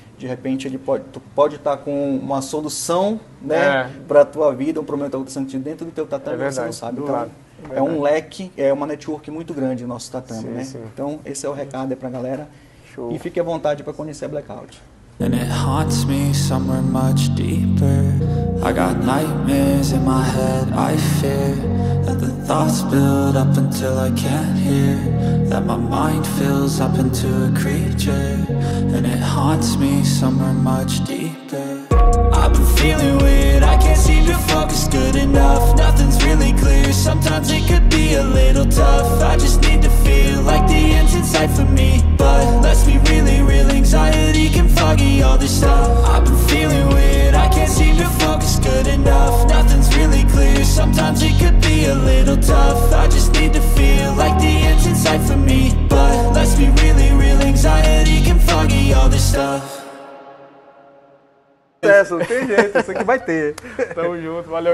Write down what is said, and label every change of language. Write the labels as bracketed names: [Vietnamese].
[Portuguese] De repente, tu pode estar com uma solução, né, para a tua vida, um problema que está acontecendo dentro do teu tatame, é verdade, você não sabe. Então, é um leque, é uma network muito grande o nosso tatame. Sim, né? Sim. Então esse é o recado para a galera. Show. E fique à vontade para conhecer a Blackout. [English] And it haunts me somewhere much deeper. I got nightmares in my head, I fear that the thoughts build up until I can't hear, that my mind fills up into a creature. And it haunts me somewhere much deeper. I've been feeling weird, I can't seem to focus good enough. Nothing's really clear, sometimes it could be a little tough. I just need to feel like the end's in sight for me. But let's be really real, anxiety can foggy all this stuff. I've been feeling weird, I can't seem to focus good enough. Nothing's really clear, sometimes it could be a little tough. I just need to feel like the end's in sight for me. But let's be really real, anxiety can foggy all this stuff. [Portuguese] Não tem jeito, isso aqui vai ter. Tamo junto, valeu,